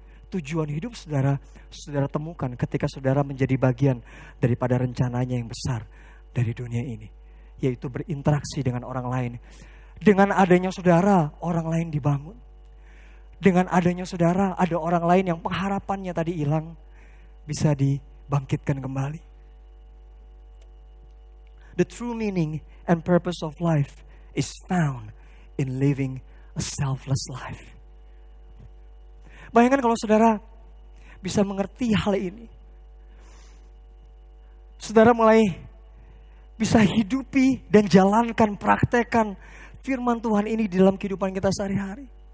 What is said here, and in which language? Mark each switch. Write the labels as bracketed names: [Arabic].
[Indonesian] Tujuan hidup saudara, saudara temukan ketika saudara menjadi bagian daripada rencananya yang besar dari dunia ini. Yaitu berinteraksi dengan orang lain. Dengan adanya saudara, orang lain dibangun. Dengan adanya saudara, ada orang lain yang pengharapannya tadi hilang, bisa dibangkitkan kembali. [English] The true meaning and purpose of life is found in living a selfless life. [Indonesian] Bayangkan kalau saudara bisa mengerti hal ini. Saudara mulai bisa hidupi dan jalankan, praktekan firman Tuhan ini di dalam kehidupan kita sehari-hari.